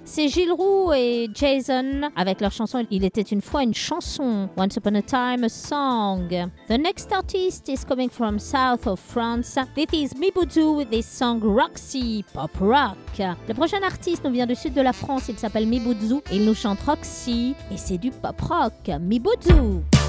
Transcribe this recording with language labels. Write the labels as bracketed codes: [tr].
[fr] C'est Gilles Roux et Jason avec leur chanson Il était une fois une chanson. [en] Once Upon a Time a Song. The next artist is coming from south of France. This is Miboudou with his song Roxy Pop Rock. [fr] Le prochain artiste nous vient du sud de la France. Il s'appelle Miboudou. Il nous chante Roxy et c'est du pop rock. Miboudou.